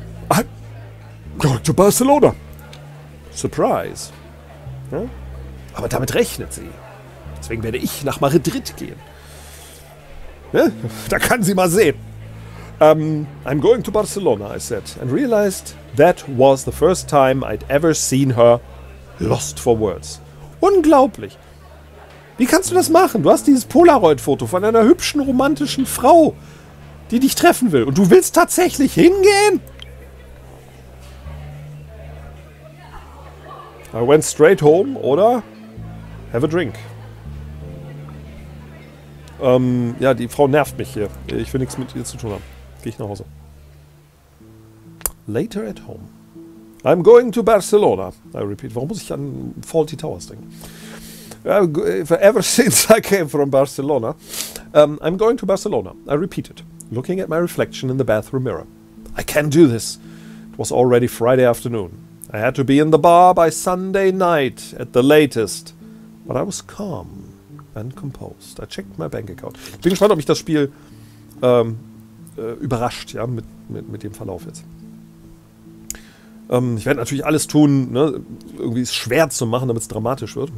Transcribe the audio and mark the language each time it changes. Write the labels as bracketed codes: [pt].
[en] I'm going to Barcelona. Surprise. Hm? [de] Aber damit rechnet sie. Deswegen werde ich nach Madrid gehen. Ne? Da kann sie mal sehen. [en] I'm going to Barcelona, I said, and realized that was the first time I'd ever seen her lost for words. [de] Unglaublich. Wie kannst du das machen? Du hast dieses Polaroid-Foto von einer hübschen, romantischen Frau, die dich treffen will. Und du willst tatsächlich hingehen? [en] I went straight home, oder? Have a drink. [de] Ja, die Frau nervt mich hier. Ich will nichts mit ihr zu tun haben. Geh ich nach Hause. [en] Later at home. I'm going to Barcelona, I repeat. [de] Warum muss ich an Fawlty Towers denken? [en] Ever since I came from Barcelona, I'm going to Barcelona, I repeated, looking at my reflection in the bathroom mirror. I can do this. It was already Friday afternoon. I had to be in the bar by Sunday night at the latest. But I was calm and composed. I checked my bank account. [de] Ich bin gespannt, ob mich das Spiel überrascht, ja, mit dem Verlauf jetzt. Ich werde natürlich alles tun, ne, irgendwie es schwer zu machen, damit es dramatisch wird.